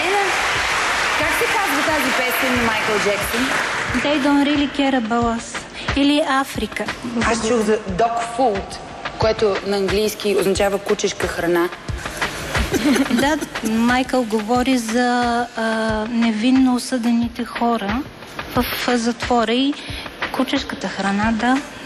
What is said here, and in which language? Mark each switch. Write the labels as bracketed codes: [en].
[bg] Елена, как се казва тази песен на Майкъл Джексон? [en] They don't really care about us. [bg] Или Африка. Аз чух за dog food, което на английски означава кучешка храна. Да, Майкъл говори за невинно осъдените хора в затвора и кучешката храна, да.